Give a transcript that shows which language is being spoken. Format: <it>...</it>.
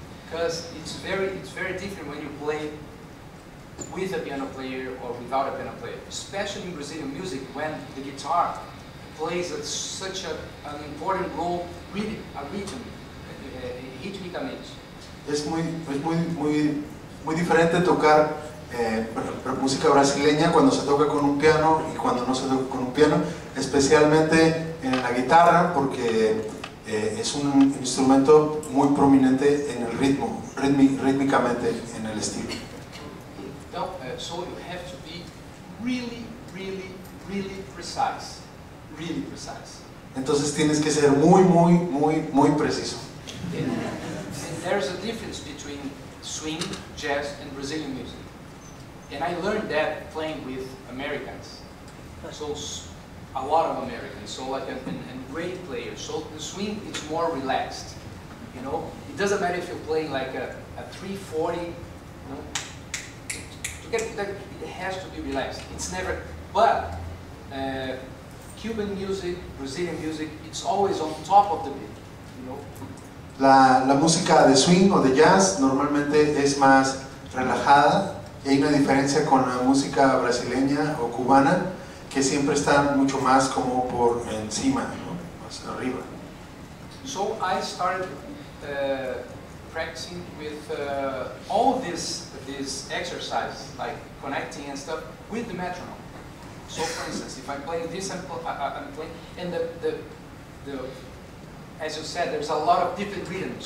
<en>Because it's very different when you play with a piano player or without a piano player, especially in Brazilian music, when the guitar plays such an important role, really a rhythm, rítmicamente.</en> <es>Es muy diferente tocar música brasileña cuando se toca con un piano y cuando no se toca con un piano, especialmente en la guitarra, porque es un instrumento muy prominente en el ritmo, rítmicamente en el estilo.</es> <en>So you have to be really, really, really precise. Really precise.</en> <es>Entonces tienes que ser muy, muy, muy, muy preciso.</es> <en>And there's a difference between swing, jazz, and Brazilian music. And I learned that playing with Americans. So a lot of Americans, so like and great players. So the swing is more relaxed, you know? It doesn't matter if you're playing like a 340, you know? It has to be relaxed. It's never, but Cuban music, Brazilian music, it's always on top of the beat, you know?</en> <es>La música de swing o de jazz normalmente es más relajada, y hay una diferencia con la música brasileña o cubana, que siempre están mucho más como por encima, ¿no? Más arriba.</es> <en>So I started practicing with all this exercise, like connecting and stuff, with the metronome. So for instance, if I'm playing this, I'm playing, and the as you said, there's a lot of different rhythms.</en>